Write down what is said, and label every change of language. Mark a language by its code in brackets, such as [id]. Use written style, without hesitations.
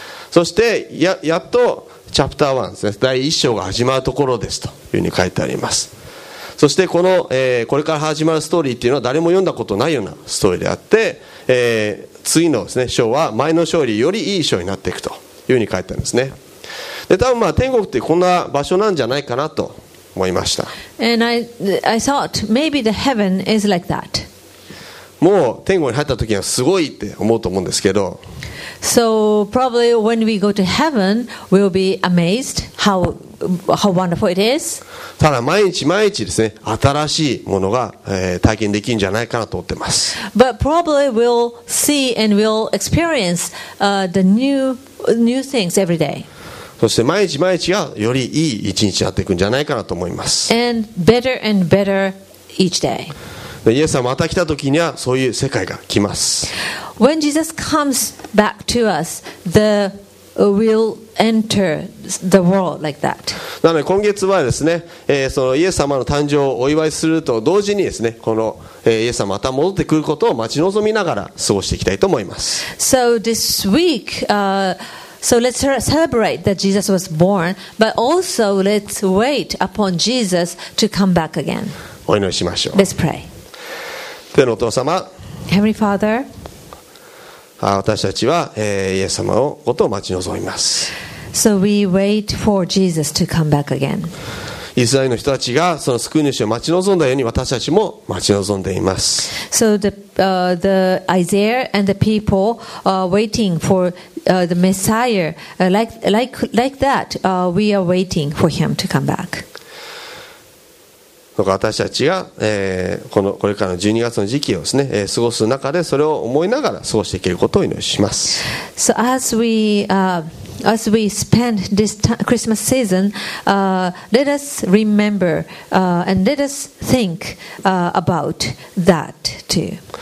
[ja] そして やっとチャプター1ですね、第1章が始まるところですというふうに書いてあります。そしてこの、これから始まるストーリーっていうのは誰も読んだことないようなストーリーであって、次のですね、章は前の章よりよりいい章になっていくというふうに書いてあるんですね。で、多分まあ天国ってこんな場所なんじゃないかなと思いました。 [en] And I thought maybe the heaven is like that. [ja] もう天国に入った時にはすごいって思うと思うんですけど。 [en] So probably when we go to heaven, we'll be amazed how wonderful it is. [ja] ただ毎日毎日ですね、新しいものが、体験できるんじゃないかなと思ってます。 [en] But probably we'll see and we'll experience the new things every day. [ja] そして毎日毎日がよりいい一日になっていくんじゃないかなと思います。 [en] And better and better each day. [ja] イエス様また来た時にはそういう世界が来ます。 [en] When Jesus comes back to us, we'll enter the world like that. [ja] なので今月はですね、そのイエス様の誕生をお祝いすると同時にですね、このイエス様また戻ってくることを待ち望みながら過ごしていきたいと思います。 [en] So this week, so let's celebrate that Jesus was born, but also let's wait upon Jesus to come back again. [ja] お祈りしましょう。 [en] Let's pray. [ja] 天のお父様、 [en] Heavenly Father, [ja] 私たちは、イエス様のことを待ち望みます。 [en] So we wait for Jesus to come back again. [ja] イスラエルの人たちがその救い主を待ち望んだように私たちも待ち望んでいます。 [en] So the Isaiah and the people are waiting for the Messiah like that. We are waiting for him to come back. [ja] 私たちが、これからの12月の時期をですね、過ごす中でそれを思いながら過ごしていけることを祈ります。 [en] So as we spend this Christmas season, let us remember, and let us think, about that too.